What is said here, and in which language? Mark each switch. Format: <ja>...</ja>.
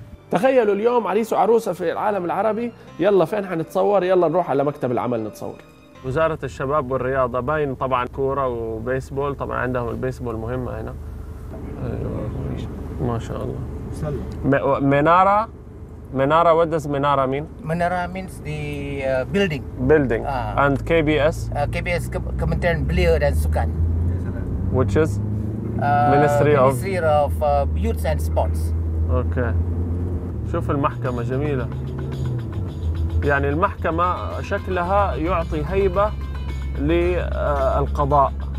<ar>تخيلوا اليوم عريس وعروسة في العالم العربي، يلا فين حنتصور، يلا نروح على مكتب العمل نتصور. وزارة الشباب والرياضة باين طبعا كورة وبيسبول، طبعا عندهم البيسبول مهمة هنا. أيوة. ما شاء الله. منارة منارة ودس منارة مين؟ منارة</ar> <en>means the building. Building. And KBS.</en> <ms>KBS Kementerian Belia dan Sukan.</ms> <en>Which is Ministry of Youth and Sports. Okay.</en> <ar>شوف المحكمة جميلة. يعني المحكمة شكلها يعطي هيبة للقضاء.</ar>